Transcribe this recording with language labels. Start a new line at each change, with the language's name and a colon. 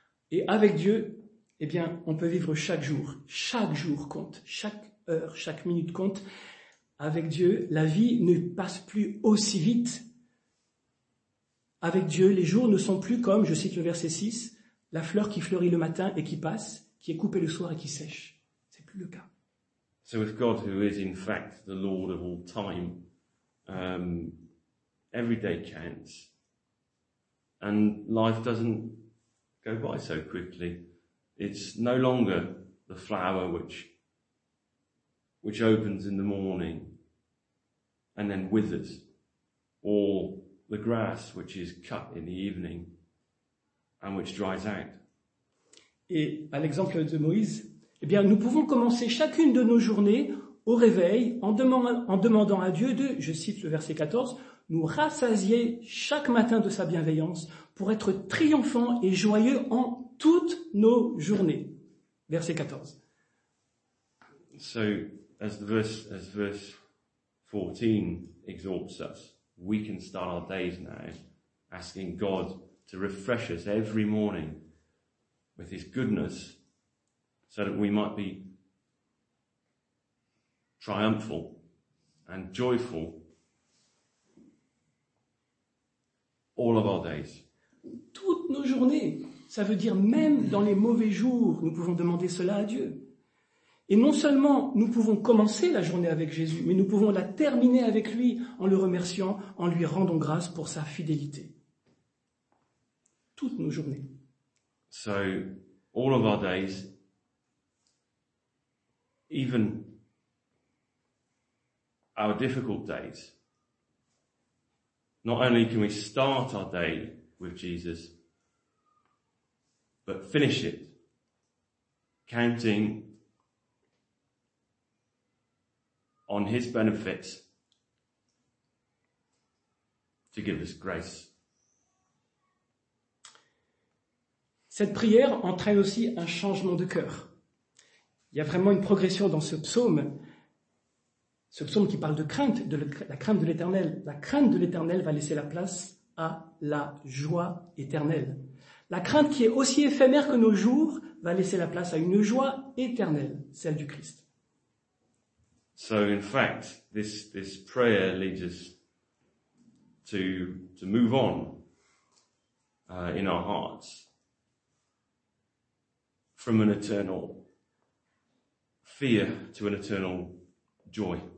French: Et avec Dieu, eh bien, on peut vivre chaque jour. Chaque jour compte. Chaque heure, chaque minute compte. Avec Dieu, la vie ne passe plus aussi vite. Avec Dieu, les jours ne sont plus comme, je cite le verset 6, la fleur qui fleurit le matin et qui passe, qui est coupée le soir et qui sèche. C'est plus le cas.
English: So with God, who is in fact the Lord of all time, every day counts. And life doesn't go by so quickly. It's no longer the flower which opens in the morning and then withers, or the grass which is cut in the evening and which dries out.
French: Et à l'exemple de Moïse, eh bien, nous pouvons commencer chacune de nos journées au réveil en demandant à Dieu de, je cite le verset 14, nous rassasier chaque matin de sa bienveillance pour être triomphant et joyeux en toutes nos journées. Verset 14.
English: So, as verse 14 exhorts us, we can start our days now asking God to refresh us every morning with his goodness so that we might be triumphal and joyful all of our days.
French: Toutes nos journées, ça veut dire même dans les mauvais jours, nous pouvons demander cela à Dieu. Et non seulement nous pouvons commencer la journée avec Jésus, mais nous pouvons la terminer avec lui en le remerciant, en lui rendant grâce pour sa fidélité. Toutes nos journées.
English: So, all of our days, even our difficult days, not only can we start our day with Jesus, but finish it, counting on his benefits to give us grace.
French: Cette prière entraîne aussi un changement de cœur. Il y a vraiment une progression dans ce psaume qui parle de crainte, la crainte de l'Éternel. La crainte de l'Éternel va laisser la place à la joie éternelle. La crainte qui est aussi éphémère que nos jours va laisser la place à une joie éternelle, celle du Christ.
English: So in fact, this prayer leads us to move on in our hearts from an eternal fear to an eternal joy.